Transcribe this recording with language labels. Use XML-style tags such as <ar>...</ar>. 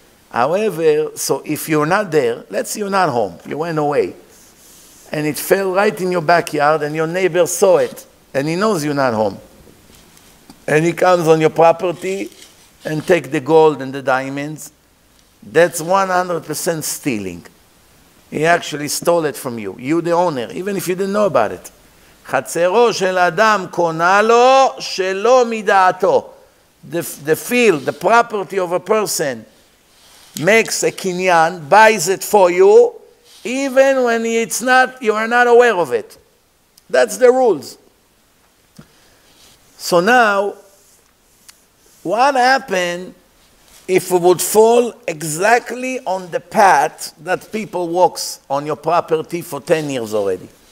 <en>However, so if you're not there, let's say you're not home, you went away, and it fell right in your backyard, and your neighbor saw it, and he knows you're not home. And he comes on your property and take the gold and the diamonds, that's 100% stealing. He actually stole it from you, you the owner, even if you didn't know about it.</en> <he>חצרו של אדם קונה לו שלא מדעתו.</he> <en>The field, the property of a person makes a kinyan, buys it for you, even when it's not, you are not aware of it. That's the rules. So now, what happened if it would fall exactly on the path that people walk on your property for 10 years already?</en>